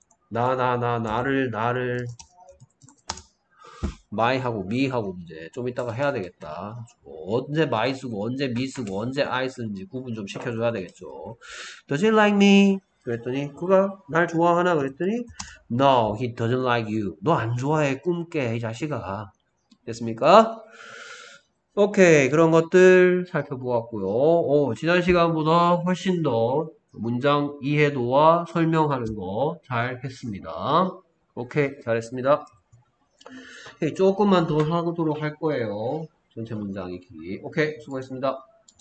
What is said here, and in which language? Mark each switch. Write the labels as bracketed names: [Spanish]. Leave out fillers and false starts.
[Korean] 나를. my 하고 me 하고 이제 좀 이따가 해야 되겠다. 언제 my 쓰고 언제 me 쓰고 언제 I 쓰는지 구분 좀 시켜줘야 되겠죠. [English] Does he like me? [Korean] 그랬더니 그가 날 좋아하나? 그랬더니 [English] No, he doesn't like you. [Korean] 너안 좋아해 꿈깨 이 자식아. 됐습니까? 오케이 그런 것들 살펴보았고요. 지난 시간보다 훨씬 더 문장 이해도와 설명하는 거잘 했습니다. 오케이 잘했습니다. 조금만 더 하도록 할 거예요. 전체 문장 읽기. 오케이, 수고했습니다.